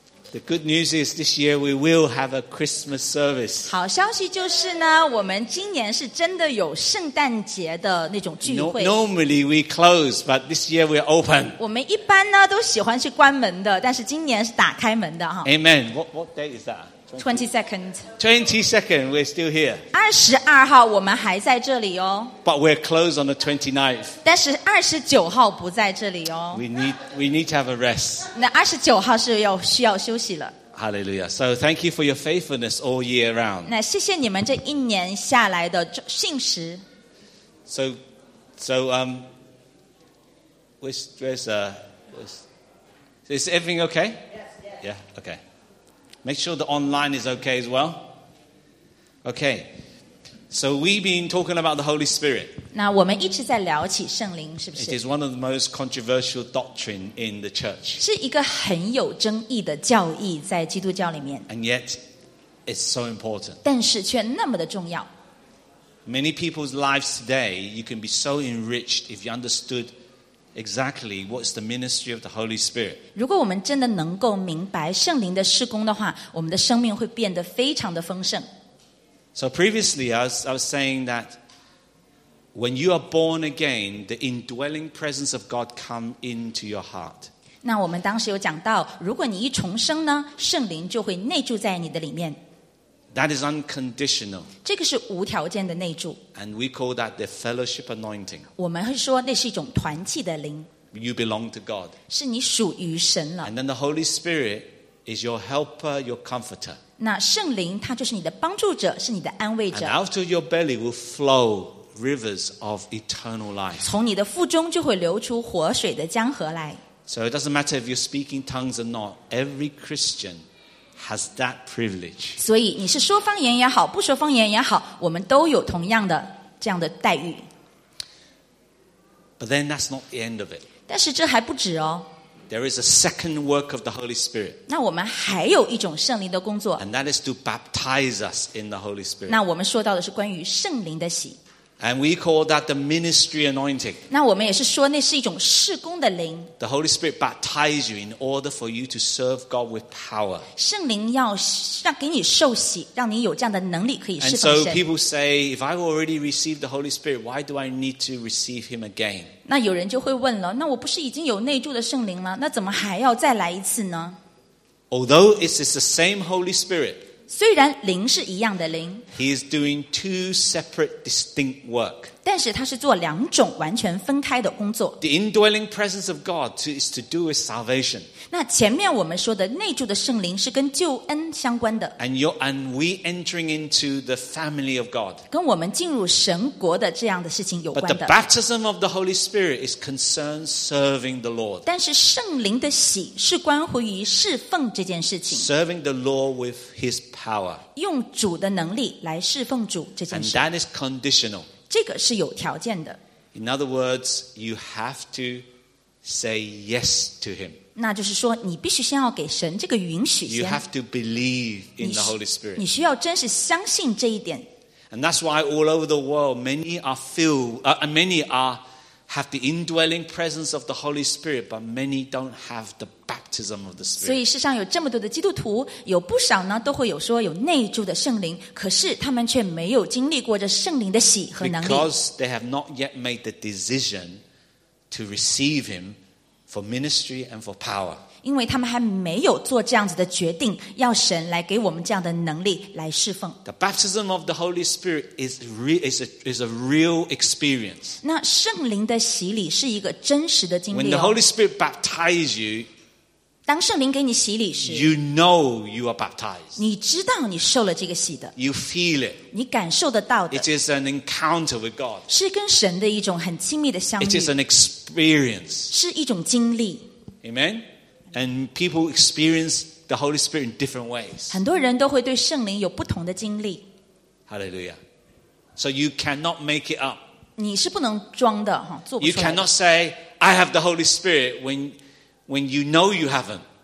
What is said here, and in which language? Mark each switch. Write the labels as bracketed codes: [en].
[en] The good news is this year we will have a Christmas service. [zh] 好消息就是呢，我们今年是真的有圣诞节的那种聚会。 [en] Normally we close, but this year we're open. [zh] 我们一般呢都喜欢去关门的，但是今年是打开门的哈。 [en] Amen. What day is that? 22nd. 22nd, we're still here. [zh] 22号我们还在这里哦。 [en] But we're closed on the 29th. [zh] 但是29号不在这里哦。 [en] We need to have a rest. [zh] 那29号是要需要休息了。 [en] Hallelujah. So thank you for your faithfulness all year round. [zh] 那谢谢你们这一年下来的信实。 [en] So, is everything okay? Yes. Yeah, okay. Make sure the online is okay as well. Okay. So we've been talking about the Holy Spirit. [zh] 那我们一直在聊起圣灵，是不是？ [en] It is one of the most controversial doctrine in the church. [zh] 是一个很有争议的教义在基督教里面。 [en] And yet, it's so important. [zh] 但是却那么的重要。 [en] Many people's lives today, you can be so enriched if you understood exactly what's the ministry of the Holy Spirit. [zh] 如果我们真的能够明白圣灵的事工的话，我们的生命会变得非常的丰盛。 [en] So previously I was saying that when you are born again, the indwelling presence of God come into your heart. [zh] 那我们当时有讲到，如果你一重生呢，圣灵就会内住在你的里面。 [en] That is unconditional. [zh] 这个是无条件的内住。 [en] And we call that the fellowship anointing. [zh] 我们会说那是一种团契的灵。 [en] You belong to God. [zh] 是你属于神了。 [en] And then the Holy Spirit is your helper, your comforter. [zh] 那圣灵他就是你的帮助者，是你的安慰者。 [en] And out of your belly will flow rivers of eternal life. [zh] 从你的腹中就会流出活水的江河来。 [en] So it doesn't matter if you're speaking tongues or not. Every Christian. Has that privilege. [zh] 所以你是说方言也好，不说方言也好，我们都有同样的这样的待遇。 [en] But then that's not the end of it. [zh] 但是这还不止哦。 [en] There is a second work of the Holy Spirit. [zh] 那我们还有一种圣灵的工作。 [en] And that is to baptize us in the Holy Spirit. [zh] 那我们说到的是关于圣灵的洗。 [en] And we call that the ministry anointing. [zh] 那我们也是说那是一种事工的灵。 [en] The Holy Spirit baptizes you in order for you to serve God with power. [zh] 圣灵要让给你受洗，让你有这样的能力可以侍奉神。 [en] And so people say, if I already received the Holy Spirit, why do I need to receive Him again? [zh] 那有人就会问了，那我不是已经有内住的圣灵了，那怎么还要再来一次呢？ [en] Although it is the same Holy Spirit. [zh] 虽然灵是一样的灵 [en] He is doing two separate distinct work. [zh] 但是他是做两种完全分开的工作 [en] The indwelling presence of God is to do with salvation. [zh] 那前面我们说的内住的圣灵是跟救恩相关的 [en] And we entering into the family of God. [zh] 跟我们进入神国的这样的事情有关的 [en] But the baptism of the Holy Spirit is concerned serving the Lord. [zh] 但是圣灵的洗是关乎于侍奉这件事情 [en] Serving the Lord with His power. [zh] 用主的能力来侍奉主这件事 [en] And that is conditional. [zh] 这个是有条件的 [en] In other words, you have to say yes to him. [zh] 那就是说你必须先要给神这个允许先 [en] You have to believe in the Holy Spirit. [zh] 你需要真实相信这一点 [en] And that's why all over the world many have the indwelling presence of the Holy Spirit, but many don't have the baptism of the Spirit. [zh] 所以世上有这么多的基督徒，有不少呢都会有说有内住的圣灵，可是他们却没有经历过这圣灵的洗和能力。 [en] Because they have not yet made the decision to receive Him for ministry and for power. [zh] 因为他们还没有做这样子的决定，要神来给我们这样的能力来侍奉。 [en] The baptism of the Holy Spirit is a real experience. [zh] 那圣灵的洗礼是一个真实的经历。 [en] When the Holy Spirit baptizes you, [zh] 当圣灵给你洗礼时 [en] you know you are baptized. [zh] 你知道你受了这个洗的。 [en] You feel it. [zh] 你感受得到的。 [en] It is an encounter with God. [zh] 是跟神的一种很亲密的相遇。 [en] It is an experience. 是一种经历。 Amen? And people experience the Holy Spirit in different ways. [zh] 很多人都会对圣灵有不同的经历。 [en] Hallelujah. So you cannot make it up. [zh] 你是不能装的，做不出来。 [en] You cannot say, I have the Holy Spirit when you know you haven't.